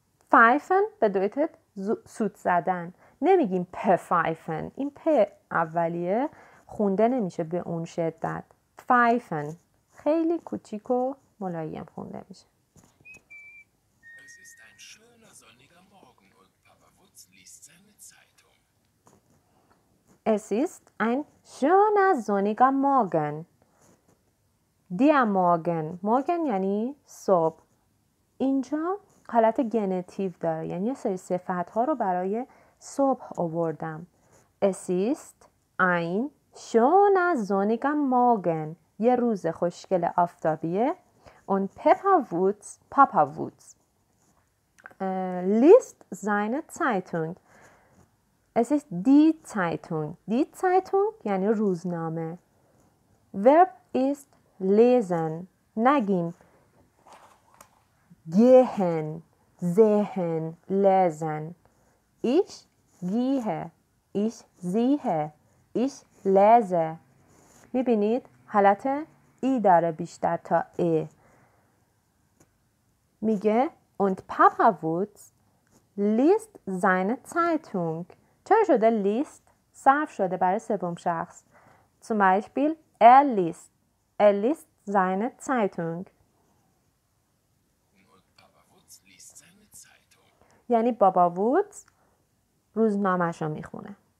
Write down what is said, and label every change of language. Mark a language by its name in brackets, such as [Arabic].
[German] Pfeifen bedeutet [Persian] سوت زدن. نمیگیم پفایفن. این پ اولیه خونده نمیشه به اون شدت. پفایفن. خیلی کوچیک و ملایم خونده میشه. [German] Es ist ein schöner sonniger Morgen. Der Morgen. [Persian] Morgen یعنی صبح. اینجا حالت جنتیو داره. یعنی یه سری صفت ها رو برای صبح آوردم. [German] Es ist ein schöner sonniger Morgen. [Persian] یه روز خوشگل آفتابیه. [German] Und Peppa Wutz, Papa Wutz. Liest seine Zeitung. Es ist die Zeitung. Die Zeitung [Persian] یعنی روزنامه. [German] Verb ist lesen. [Persian] نگیم [German] gehen, sehen, lesen. Ich gehe. Ich sehe. Ich lese. [Persian] میبینید حالت ای داره بیشتر تا ای. میگه [German] Und Papa Wutz liest seine Zeitung. [Persian] چرا شده لیست صرف شده برای سوم شخص؟ [German] zum Beispiel er liest seine Zeitung. [Persian] یعنی بابا وودز روزنامه‌اش رو میخونه.